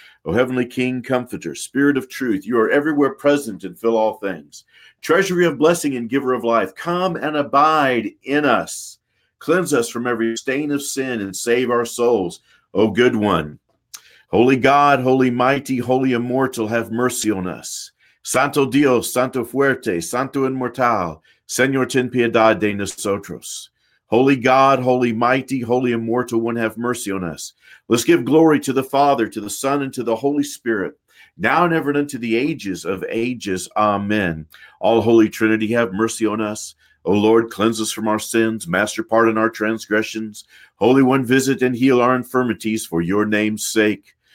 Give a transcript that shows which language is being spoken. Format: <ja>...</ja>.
<en>O Heavenly King, Comforter, Spirit of Truth, you are everywhere present and fill all things. Treasury of blessing and giver of life, come and abide in us. Cleanse us from every stain of sin and save our souls. O good one, holy God, holy mighty, holy immortal, have mercy on us.</en> <es>Santo Dios, Santo Fuerte, Santo Inmortal, Señor, ten piedad de nosotros.</es> <en>Holy God, holy mighty, holy immortal one, have mercy on us. Let's give glory to the Father, to the Son, and to the Holy Spirit, now and ever and unto the ages of ages. Amen. All Holy Trinity, have mercy on us. O Lord, cleanse us from our sins. Master, pardon our transgressions. Holy One, visit and heal our infirmities for your name's sake.</en>